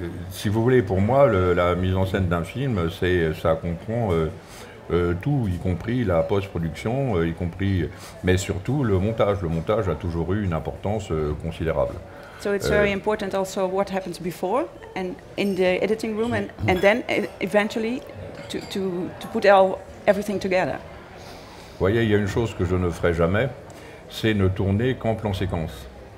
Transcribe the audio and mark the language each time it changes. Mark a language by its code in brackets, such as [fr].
[fr] Si vous voulez, pour moi, la mise en scène d'un film, ça comprend tout, y compris la post-production, y compris, mais surtout le montage. Le montage a toujours eu une importance considérable. [en] So it's very important also what happens before and in the editing room and then eventually to put everything together. [fr] Voyez, il y a une chose que je ne ferai jamais, c'est ne tourner qu'en plan séquence.